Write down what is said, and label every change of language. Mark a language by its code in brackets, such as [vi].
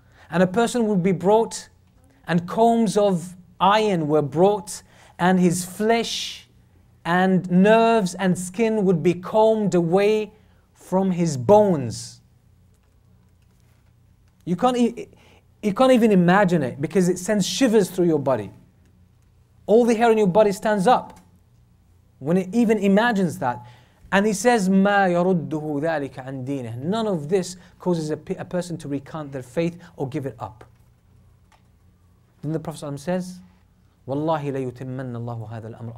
[en] And a person would be brought, and combs of iron were brought, and his flesh and nerves and skin would be combed away from his bones. You can't eat. You can't even imagine it because it sends shivers through your body. All the hair on your body stands up when it even imagines that. And he says, [ar] مَا يَرُدُّهُ ذَٰلِكَ عَنْ دِينِهِ. [en] None of this causes a person to recant their faith or give it up. Then the Prophet ﷺ says, [ar] وَاللَّهِ لَيُتِمَّنَّ اللَّهُ هَذَا الْأَمْرِ.